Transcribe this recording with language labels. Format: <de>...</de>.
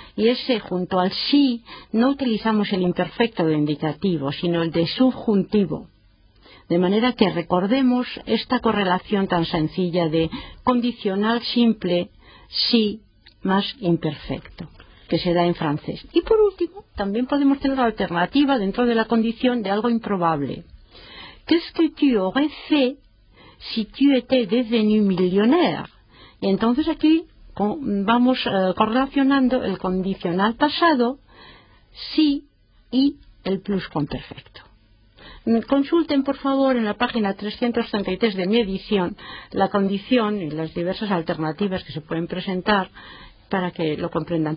<es>Y ese junto al sí, no utilizamos el imperfecto de indicativo, sino el de subjuntivo. De manera que recordemos esta correlación tan sencilla de condicional simple, sí, más imperfecto, que se da en francés. Y por último, también podemos tener la alternativa dentro de la condición de algo improbable.</es> <fr>¿Qu'est-ce que tu aurais fait si tu étais devenu millionnaire?</fr> <es>Y entonces aquí vamos correlacionando el condicional pasado, sí, y el pluscuamperfecto. Consulten, por favor, en la página 333 de mi edición la condición y las diversas alternativas que se pueden presentar para que lo comprendan.</es>